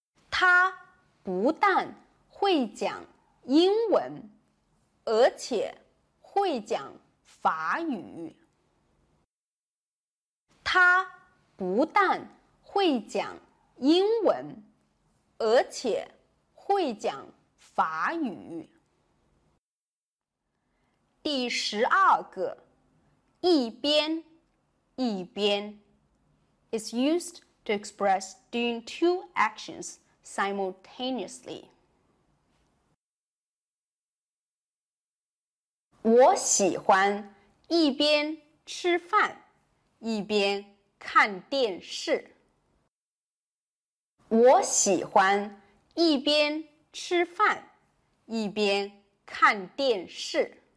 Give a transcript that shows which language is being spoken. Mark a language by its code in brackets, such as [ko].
[zh] 他不但会讲英文，而且会讲法语。他不但会讲英文，而且会讲法语。第十二个，一边，一边 [en] is used to express doing two actions simultaneously. [zh] 我喜欢一边吃饭，一边看电视。我喜欢一边吃饭，一边看电视。